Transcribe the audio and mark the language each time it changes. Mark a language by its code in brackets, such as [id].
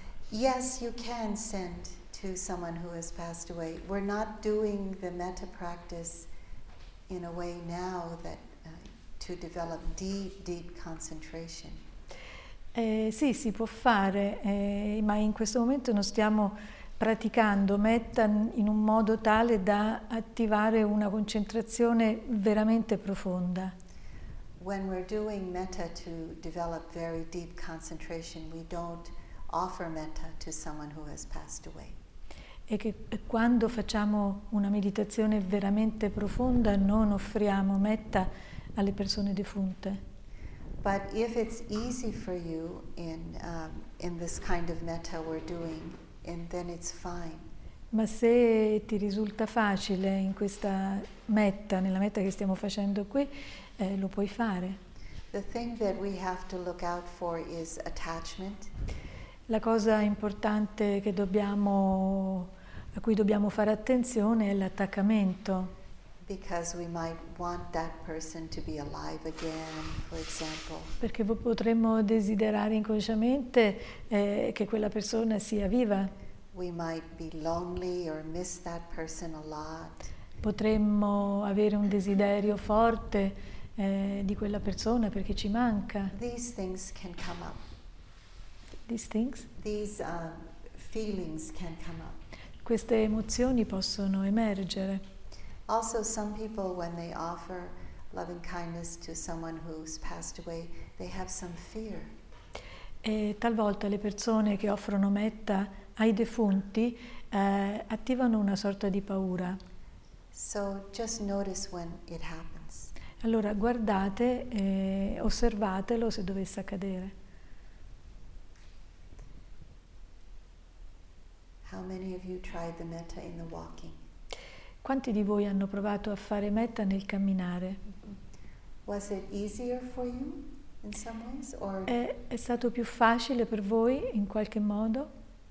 [en] yes, you can send to someone who has passed away. We're not doing the metta practice in a way now that to develop deep, deep concentration. [it] Sì, si può fare, ma in questo momento non stiamo praticando metta in un modo tale da attivare una concentrazione veramente profonda. [en] When we're doing metta to develop very deep concentration, we don't offer metta to someone who has passed away. [it] E che quando facciamo una meditazione veramente profonda non offriamo metta alle persone defunte. [en] But if it's easy for you in this kind of metta we're doing, and then it's fine. [it] Ma se ti risulta facile in questa metta, nella metta che stiamo facendo qui, lo puoi fare. [en] The thing that we have to look out for is attachment. [it] La cosa importante che dobbiamo, a cui dobbiamo fare attenzione è l'attaccamento. [en] Because we might want that person to be alive again, for example. [it] Perché potremmo desiderare inconsciamente che quella persona sia viva. [en] We might be lonely or miss that person a lot. [it] Potremmo avere un desiderio forte di quella persona perché ci manca. [en] These things can come up. These things? These feelings can come up. [it] Queste emozioni possono emergere. [en] Also, some people, when they offer loving kindness to someone who's passed away, they have some fear. [it] E talvolta le persone che offrono metta ai defunti attivano una sorta di paura. [en] So just notice when it happens. [it] Allora guardate, osservatelo se dovesse accadere. [en] How many of you tried the metta in the walking? [it] Quanti di voi hanno provato a fare metta nel camminare? [en] Was it easier for you in some ways, or [it] è stato più facile per voi in qualche modo?